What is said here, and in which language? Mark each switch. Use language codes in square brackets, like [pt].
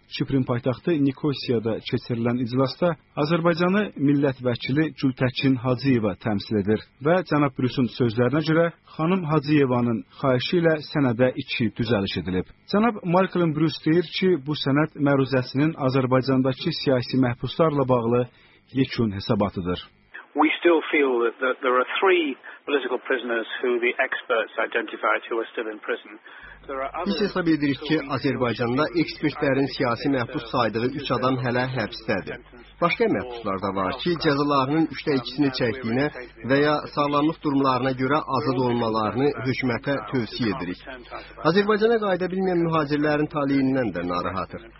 [az] Kiprin paytaxtı Nikosiyada keçirilən iclasda Azərbaycanı millət vəkili Gültəkin Hacıyeva təmsil edir və cənab Brüsselin sözlərinə görə xanım Hacıyevanın xahişi ilə sənədə iki düzəliş edilib. Cənab Malcolm Brüss deyir ki, bu sənəd məruzəsinin Azərbaycandakı siyasi məhbuslarla bağlı yekun hesabatıdır. [en] We still feel that there are three political prisoners who the experts identified who are still in prison. [az] Biz hesab edirik ki, Azərbaycanda ekspertlərin siyasi məhbus saydığı 3 adam hələ həbsdədir. Başqa məhbuslar da var ki, cəzalarının 3-də 2-sini çəkdiyinə və ya sağlamlıq durumlarına görə azad olmalarını hökumətə tövsiyə edirik. Azərbaycana qayıda bilməyən mühacirlərin taliyindən də narahatıq.